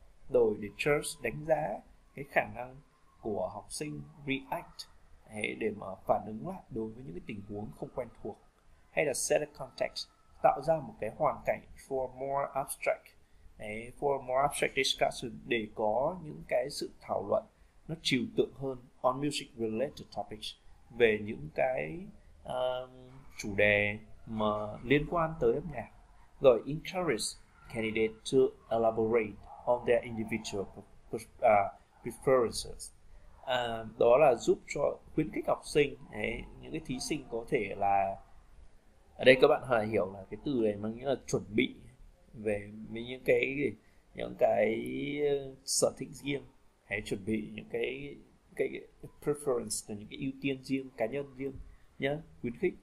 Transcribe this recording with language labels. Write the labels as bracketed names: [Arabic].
[Vietnamese] Rồi để church đánh giá cái khả năng của học sinh react để mà phản ứng lại đối với những cái tình huống không quen thuộc, hay là [English] set a context, [Vietnamese] tạo ra một cái hoàn cảnh [English] for more abstract discussion, [Vietnamese] để có những cái sự thảo luận nó trừu tượng hơn [English] on music related topics, [Vietnamese] về những cái chủ đề mà liên quan tới âm nhạc. [English] Rồi encourage candidate to elaborate on their individual preferences. [Vietnamese] Đó là giúp cho, khuyến khích học sinh đấy, những cái thí sinh có thể là, ở đây các bạn hãy hiểu là cái từ này mang nghĩa là chuẩn bị về những cái sở thích riêng, hãy chuẩn bị những cái preference, là những cái ưu tiên riêng, cá nhân riêng nhá, khuyến khích.